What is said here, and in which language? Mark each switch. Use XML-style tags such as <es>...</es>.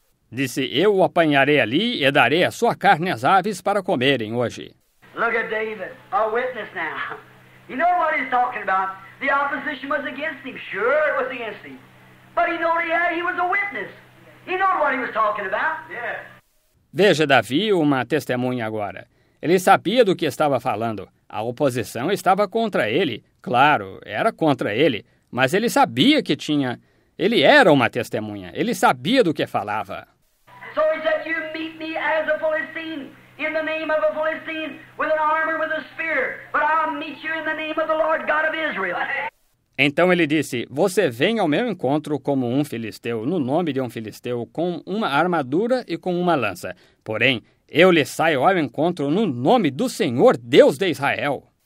<pt>Disse, eu o apanharei ali e darei a sua carne às aves para comerem hoje.</pt> <en>Look at David, a witness now. You know what he's talking about? The opposition was against him. Sure, it was against him. But he knew he was a witness. He knew what he was talking about. Yes.</en> <pt>Veja, Davi, uma testemunha agora. Ele sabia do que estava falando. A oposição estava contra ele. Claro, era contra ele. Mas ele sabia que tinha... Ele era uma testemunha. Ele sabia do que falava.</pt> <en>So he said, you meet me as a Philistine. In the name of a Philistine, with an armor, with a spear. But I'll meet you in the name of the Lord God of Israel.</en> <pt>Então ele disse, você vem ao meu encontro como um filisteu, no nome de um filisteu, com uma armadura e com uma lança. Porém, eu lhe saio ao encontro no nome do Senhor Deus de Israel.</pt>